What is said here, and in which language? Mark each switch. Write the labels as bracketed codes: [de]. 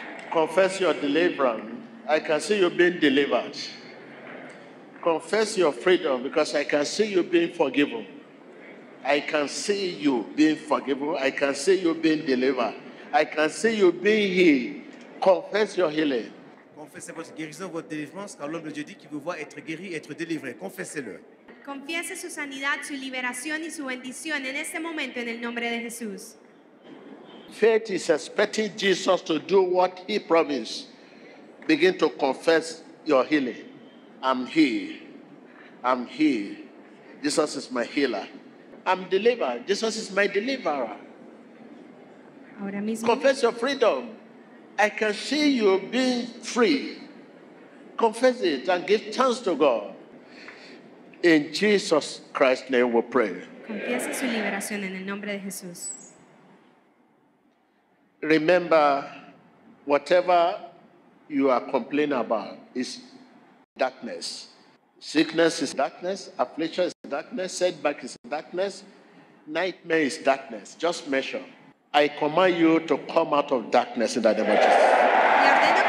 [en] Confess your deliverance. I can see you being delivered. Confess your freedom, because I can see you being forgiven. I can see you being forgiven. I can see you being delivered. I can see you being healed. Confess your healing. [fr] Confessez votre guérison, votre délivrance, car l'homme de Dieu dit qu'il vous voit être guéri, être délivré. Confessez-le. [es] Confiese su sanidad, su liberación y su bendición en este momento en el nombre de Jesús. [en] Faith is expecting Jesus to do what he promised. Begin to confess your healing. I'm healed. I'm healed. Jesus is my healer. I'm delivered. Jesus is my deliverer. [es] Ahora mismo. [en] Confess your freedom. I can see you being free. Confess it and give thanks to God. In Jesus Christ's name we pray. [es] Confiesa su liberación en el nombre de Jesús. [en] Remember, whatever you are complaining about is darkness. Sickness is darkness. Affliction is darkness. Setback is darkness. Nightmare is darkness. Just measure. I command you to come out of darkness in the name of Jesus.